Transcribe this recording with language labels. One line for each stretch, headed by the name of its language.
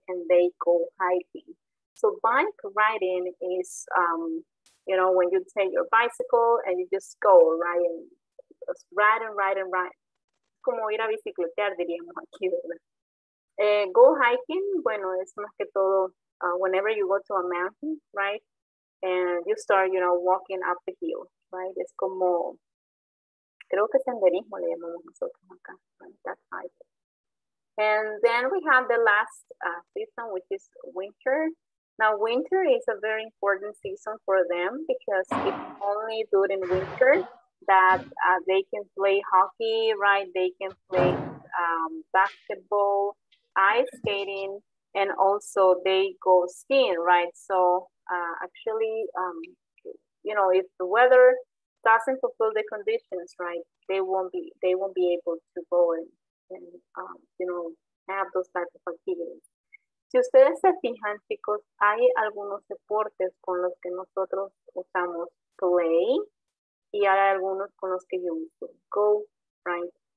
English: And they go hiking. So bike riding is, you know, when you take your bicycle and you just go, right? And just ride and ride and ride.
Spanish: Como ir a bicicletear, diríamos aquí, ¿verdad?
English: Go hiking,
Spanish: bueno, es más que todo
English: whenever you go to a mountain, right? And you start, you know, walking up the hill, right?
Spanish: Es como, creo que senderismo le llamamos nosotros acá, right?
English: That's hiking. And then we have the last season, which is winter. Now, winter is a very important season for them because it's only during winter that they can play hockey, right? They can play basketball, ice skating, and also they go skiing, right? So actually, you know, if the weather doesn't fulfill the conditions, right, they won't be able to go and you know, have those types of activities.
Spanish: Si ustedes se fijan, chicos, hay algunos deportes con los que nosotros usamos play y hay algunos con los que yo uso go, right?